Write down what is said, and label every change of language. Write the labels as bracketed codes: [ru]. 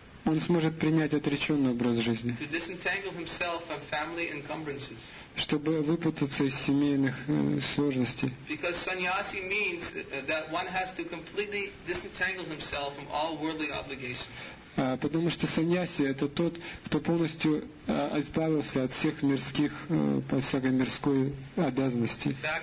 [ru] Он сможет принять отреченный образ жизни. [en] To disentangle himself from family encumbrances. [ru] Чтобы выпутаться из семейных сложностей. [en] Because sannyasi means that one has to completely disentangle himself from all worldly obligations. [ru] Потому что саньяси — это тот, кто полностью избавился от всех мирских, от всякой мирской обязанности.